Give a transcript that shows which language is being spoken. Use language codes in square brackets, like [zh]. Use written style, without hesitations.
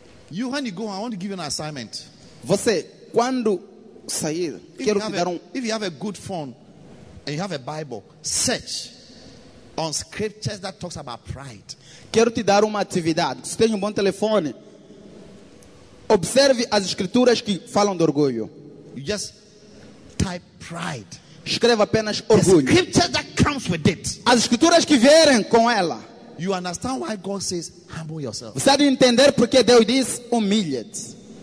[en] You, when you go, I want to give you an assignment. [pt] Você, quando sair, quero te dar um. [en] If you have a good phone and you have a Bible, search on scriptures that talks about pride. [pt] Quero te dar uma atividade. Se tem um bom telefone, observe as escrituras que falam de orgulho. [en] You just type pride. [pt] Escreva apenas orgulho. [en] The scriptures that comes with it. [pt] As escrituras que vierem com ela. [en] You understand why God says humble yourself. [pt] Você deve entender porque Deus diz humilha-te.